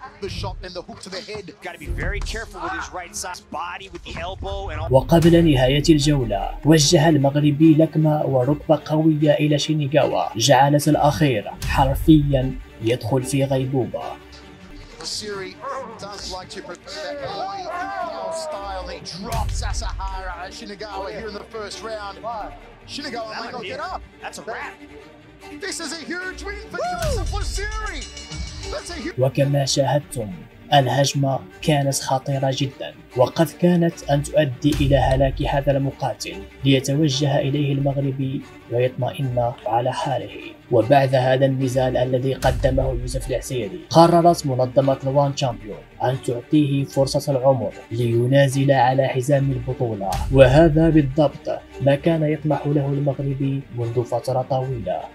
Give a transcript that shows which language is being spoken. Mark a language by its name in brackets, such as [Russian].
[English] The shot and the hook to the head. Got to be very careful with his right side body with the elbow and all. [Arabic] وقبل نهاية الجولة، وجه المغربي لكمة وركبة قوية إلى شينيغاوا، جعلت الأخير حرفيا يدخل في غيبوبة. [English] Siri does like to prepare that boy in style. He drops Asahara Shinigawa here in the first round. Shinigawa might not get up. That's a wrap. This is a huge win for Yusuf Lasiri. [Arabic] وكما شاهدتم، الهجمة كانت خطيرة جدا، وقد كانت أن تؤدي إلى هلاك هذا المقاتل. ليتوجه إليه المغربي ويطمئن على حاله. وبعد هذا النزال الذي قدمه يوسف العسيري، قررت منظمة الوان تشامبيون أن تعطيه فرصة العمر لينازل على حزام البطولة، وهذا بالضبط ما كان يطمح له المغربي منذ فترة طويلة.